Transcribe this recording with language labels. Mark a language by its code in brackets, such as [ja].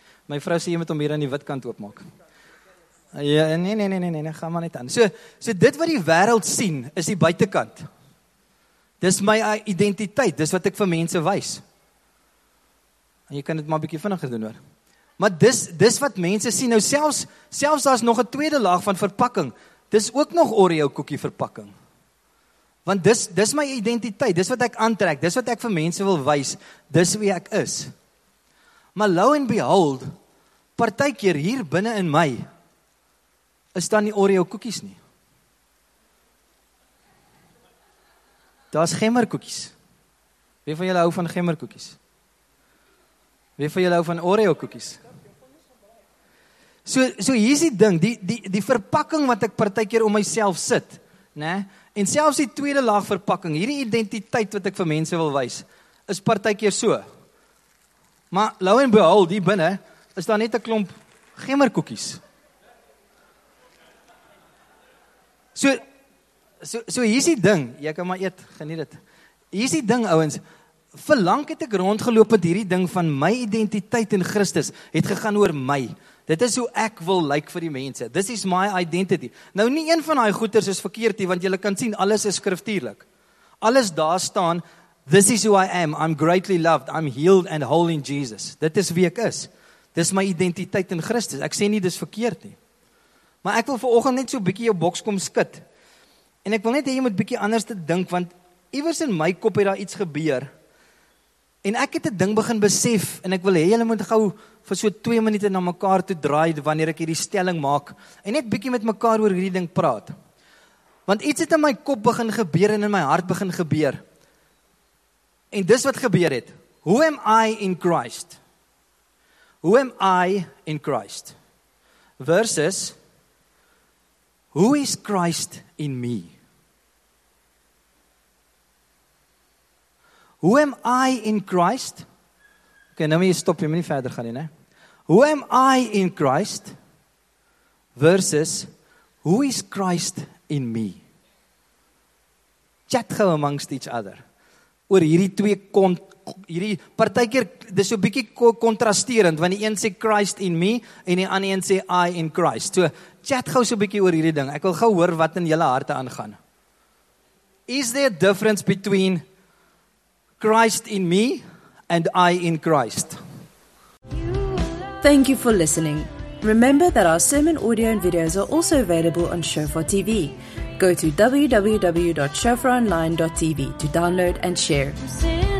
[af] My vrou sê jy moet hom hier aan die wit kant oopmaak. Ja, nee, gaan maar net aan. So dit wat die wêreld sien, is die buitekant. Dis my identiteit, dis wat ek vir mense wys. En jy kan dit maar bietjie vinniger doen hoor. Maar dis wat mense sien. Nou selfs daar's nog 'n tweede laag van verpakking. Dis ook nog Oreo koekie verpakking. Want dis my identiteit, dis wat ek aantrek, dis wat ek vir mense wil wys, dis wie ek is. Maar [en] lo and behold, [af] partykeer hier binne in my, is dan die Oreo koekies nie. Daar's gemmer koekies. Wie van julle hou van gemmer koekies? Wie van julle hou van Oreo koekies? So hier's die ding, die verpakking wat ek partykeer om myself sit, né? En selfs die tweede laag verpakking, hierdie identiteit wat ek vir mense wil wys, is partykeer so. Maar [en] lo and behold, [af] die binne is daar net 'n klomp gemmerkoekies. So hier's die ding, jy kan maar eet, geniet dit. Hier's die ding ouens, vir lank het ek rondgeloop met hierdie ding van my identiteit in Christus het gegaan oor my. Dit is hoe ek wil lyk vir die mense. [en] This is my identity. [af] Nou nie een van daai goeters is verkeerd nie, want jy kan sien alles is skriftuurlik. Alles daar staan, [en] this is who I am. I'm greatly loved. I'm healed and whole in Jesus. [af] Dit is wie ek is. Dis my identiteit in Christus. Ek sê nie dis verkeerd nie. Maar ek wil vanoggend net so 'n bietjie jou boks kom skud. En ek wil net hê jy moet bietjie anders te dink, want iewers in my kop het daar iets gebeur. En ek het 'n ding begin besef en ek wil hê julle moet gou vir so 2 minute na mekaar toe draai wanneer ek hierdie stelling maak en net bietjie met mekaar oor hierdie ding praat. Want iets het in my kop begin gebeur en in my hart begin gebeur. En dis wat gebeur het. [en] Who am I in Christ? Who am I in Christ? Versus Who is Christ in me? Who am I in Christ? [af] Okay, nou moet jy stop, jy moet nie verder gaan nie, né? [en] Who am I in Christ versus who is Christ in me? [af] Chat gou [en] amongst each other. [af] Oor hierdie twee hierdie partykeer dis so 'n bietjie kontrasterend, want die een sê [en] Christ in me [af] en die ander een sê [en] I in Christ. [af] So chat gou so 'n bietjie oor hierdie ding. Ek wil gou hoor wat in julle harte aangaan. [en] Is there a difference between Christ in me and I in Christ? Thank you for listening. Remember that our sermon audio and videos are also available on Shofar TV. Go to www.shofaronline.tv to download and share.